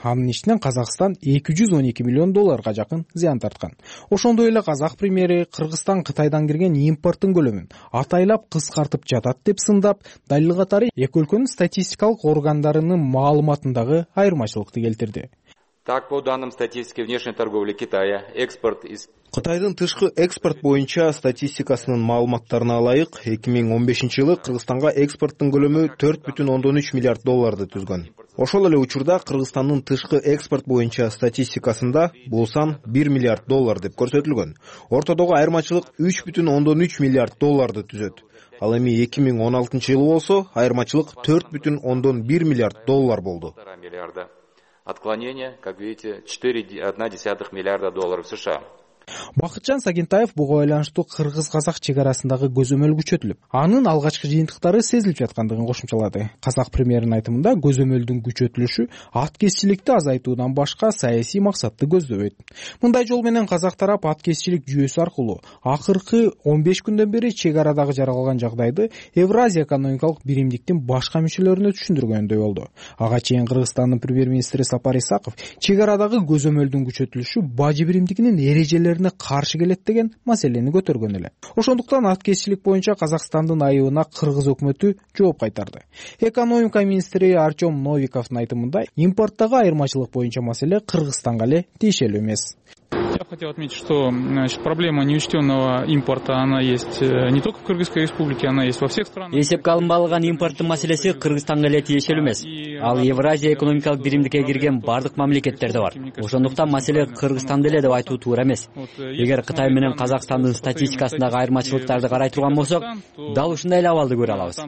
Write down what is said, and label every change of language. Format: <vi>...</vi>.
<ky>Анын ичинен Казакстан 212 миллион долларга жакын зыян тарткан. Ошондой эле казак премьери Кыргызстан Кытайдан кирген импорттун көлөмүн атайлап кыскартып жатат деп сындап, далил катары эки өлкөнүн статистикалык органдарынын маалыматындагы айырмачылыкты келтирди.</ky> <ru>Так, по данным статистики внешней торговли Китая, экспорт из</ru> <ky>Кытайдын тышкы экспорт боюнча статистикасынын маалыматтарына ылайык, 2015 жылы Кыргызстанга экспорттун көлөмү 4,13 миллиард долларды түзгөн. Ошол эле учурда Кыргызстандын тышкы экспорт боюнча статистикасында бул сан 1 миллиард доллар деп көрсөтүлгөн. Ортодогу айырмачылык 3,13 миллиард долларды түзөт. Ал эми 2016 жылы болсо, айырмачылык 4,1 миллиард доллар болду.</ky> <ru>Отклонение, как видите, 4,1 миллиарда долларов США.</ru> <ky>Бакытжан Сагентаев буга байланыштуу кыргыз-казак чек арасындагы көзөмөл күчөтүлүп, анын алгачкы жыйынтыктары сезилип жаткандыгын кошумчалады. Казак премьеринин айтымында көзөмөлдүн күчөтүлүшү аткезчиликти азайтуудан башка саясий максатты көздөйт. Мындай жол менен казак тарап аткезчилик жүйөсү аркылуу акыркы 15 күндөн бери чек арадагы жаралган жагдайды Евразия экономикалык биримдиктин башка мүчөлөрүнө түшүндүргөндөй болду. Ага чейин Кыргызстандын премьер-министри Сапар Исаков чек арадагы көзөмөлдүн күчөтүлүшү бажы биримдигинин эрежелерин каршы келет деген маселени көтөргөн эле. Ошондуктан аткезчилик боюнча Казакстандын айыбына кыргыз өкмөтү жооп кайтарды. Экономика министри Артём Новиковдун айтымында импорттогу айырмачылык боюнча маселе Кыргызстанга эле тиешелүү эмес.</ky> <ru>Я хотел отметить, что значит, проблема неучтенного импорта, она есть не только в Кыргызской республике, она есть во всех странах.</ru> <ky>Эсепке алынбаган импорттун маселеси Кыргызстанга эле тиешелүү эмес. Ал Евразия экономикалык биримдикке кирген бардык мамлекеттерде бар. Ошондуктан маселе Кыргызстанда эле деп айтуу туура эмес. Эгер Кытай менен Казакстандын статистикасындагы айырмачылыктарды карай турган болсок, дал ушундай эле абалды көрө алабыз.</ky>